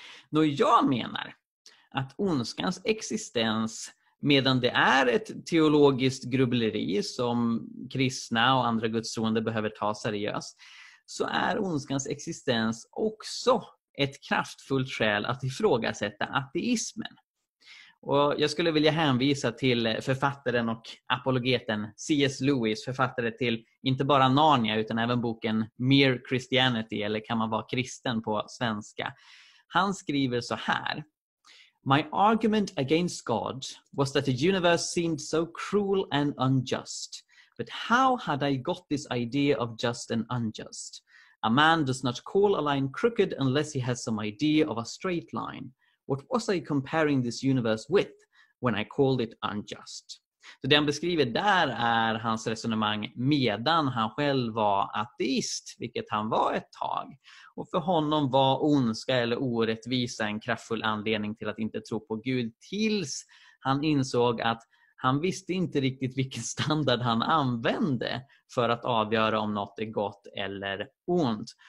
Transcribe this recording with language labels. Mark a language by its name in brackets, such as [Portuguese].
[Swedish] Då jag menar att ondskans existens, medan det är ett teologiskt grubbleri som kristna och andra gudstroende behöver ta seriöst, så är ondskans existens också ett kraftfullt skäl att ifrågasätta ateismen. Och jag skulle vilja hänvisa till författaren och apologeten C.S. Lewis, författare till inte bara Narnia utan även boken Mere Christianity, eller Kan man vara kristen på svenska. Han skriver så här: [English] My argument against God was that the universe seemed so cruel and unjust. But how had I got this idea of just and unjust? A man does not call a line crooked unless he has some idea of a straight line. What was I comparing this universe with when I called it unjust? [Swedish] Så det han beskriver där är hans resonemang medan han själv var ateist, vilket han var ett tag. Och för honom var ondska eller orättvisa en kraftfull anledning till att inte tro på Gud, tills han insåg att han visste inte riktigt vilken standard han använde för att avgöra om något är gott eller ont.